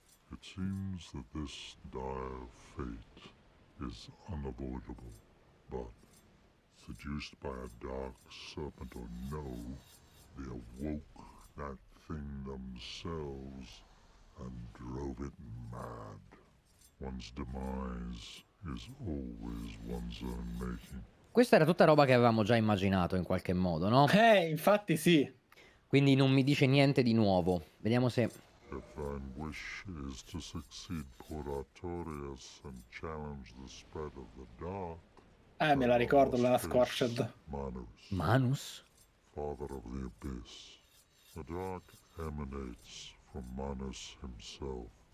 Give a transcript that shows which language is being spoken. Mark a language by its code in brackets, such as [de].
[en] It seems that this dire fate is unavoidable. But seduced by a dark serpent or no, they awoke that thing themselves and drove it mad. One's demise is always one's own making. [it] Questa era tutta roba che avevamo già immaginato in qualche modo, no? Infatti sì. Quindi non mi dice niente di nuovo. Vediamo se. [en] If thine wish is to succeed Port Artorias and challenge the spread of the dark. [it] Me la ricordo, la Scorched. [en] Manus. Manus? Father of the Abyss. The dark emanates from Manus himself.